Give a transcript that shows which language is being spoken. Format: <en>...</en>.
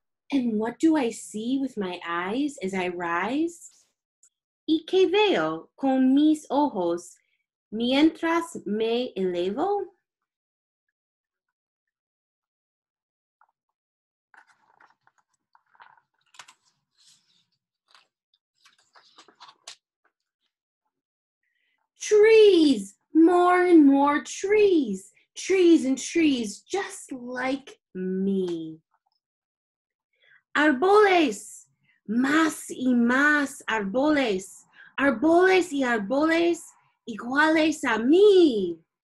<en>And what do I see with my eyes as I rise?</en> <es>¿Y qué veo con mis ojos mientras me elevo?</es> <en>Trees, more and more trees, trees and trees just like me.</en> <es>Arboles, más y más arboles, arboles y arboles iguales a mí.</es>